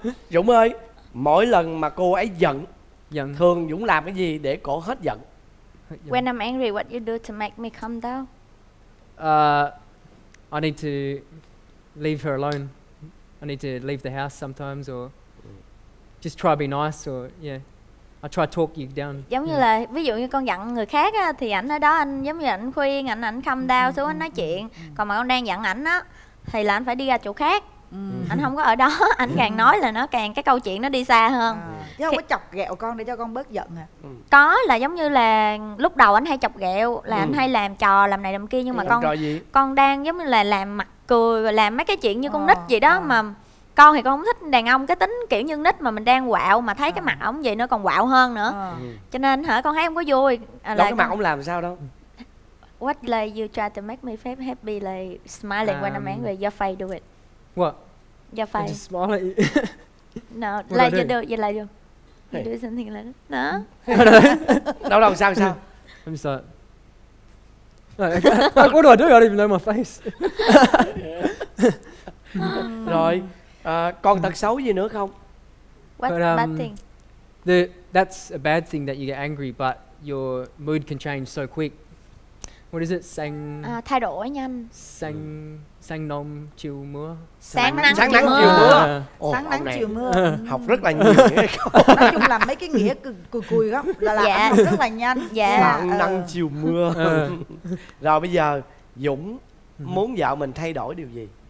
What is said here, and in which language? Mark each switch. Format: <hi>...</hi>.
<vi>Dũng ơi, mỗi lần mà cô ấy giận, giận, thường Dũng làm cái gì để cô hết giận?</vi> <en>When I'm angry, what you do to make me calm down? I need to leave her alone. I need to leave the house sometimes or just try be nice or yeah, I try talk you down.</en> <vi>Giống như là ví dụ như con giận người khác á, thì ảnh ở đó anh giống như ảnh khuyên, ảnh</vi> <en>calm down</en> <vi>xuống, anh nói chuyện. Còn mà con đang giận ảnh á, thì là anh phải đi ra chỗ khác. Anh không có ở đó, anh càng nói là nó càng cái câu chuyện nó đi xa hơn. Chứ không có chọc ghẹo con để cho con bớt giận à? Có, là giống như là lúc đầu anh hay chọc ghẹo, là anh hay làm trò làm này làm kia, nhưng mà con con đang giống như là làm mặt cười, làm mấy cái chuyện như con nít vậy đó. Mà con thì con không thích đàn ông cái tính kiểu như nít, mà mình đang quạo mà thấy cái mặt ổng vậy nó còn quạo hơn nữa. Cho nên hả, con thấy không có vui. Là cái mặt ổng làm sao đâu.</vi> <en>What like you try to make me happy, like smiling when I'm angry, your face do it. What? Your face. Just smile at you. No, what like you do, you like you. You do something like that. No.</en> <vi>Đâu đâu, sao sao?</vi> <en>I'm sorry. Like, what do I do? I don't even know my face.</en> <vi>Rồi, còn tật xấu gì nữa không?</vi> <en>What but, bad thing? That's a bad thing that you get angry, but your mood can change so quick. What is it? Sang</en> <vi>thay đổi nhanh. Sang sang nóng chiều mưa. Sáng nắng chiều mưa. Sáng nắng chiều mưa. Học rất là nhiều. Nói chung là mấy cái nghĩa cùi cùi góc là làm rất là nhanh. Sáng nắng chiều mưa. Rồi bây giờ Dũng muốn vợ mình thay đổi điều gì?</vi>